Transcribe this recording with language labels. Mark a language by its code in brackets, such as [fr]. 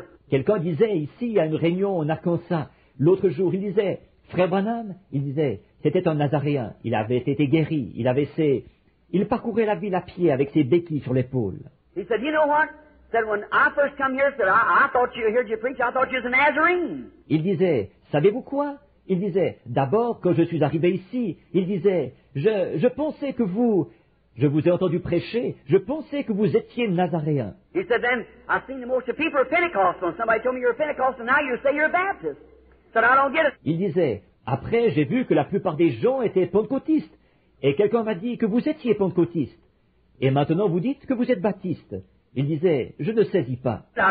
[fr] Quelqu'un disait ici à une réunion en Arkansas, l'autre jour, il disait, Frère Branham, il disait, c'était un Nazaréen, il avait été guéri, il avait ses... Il parcourait la ville à pied avec ses béquilles sur l'épaule. [en] He said, you know what? Said when I first come here, said I thought you heard you preach. I thought you was a Nazarene. [fr] Il disait, savez-vous quoi? Il disait, d'abord quand je suis arrivé ici, il disait, je pensais que vous, je vous ai entendu prêcher, je pensais que vous étiez Nazaréen. [en] He said then I seen the most of people are Pentecostal. Somebody told me you're a Pentecostal. Now you say you're a Baptist. Said I don't get it. [fr] Il disait, après j'ai vu que la plupart des gens étaient pentecôtistes. Et quelqu'un m'a dit que vous étiez pentecôtiste. Et maintenant vous dites que vous êtes baptiste. Il disait, je ne saisis pas.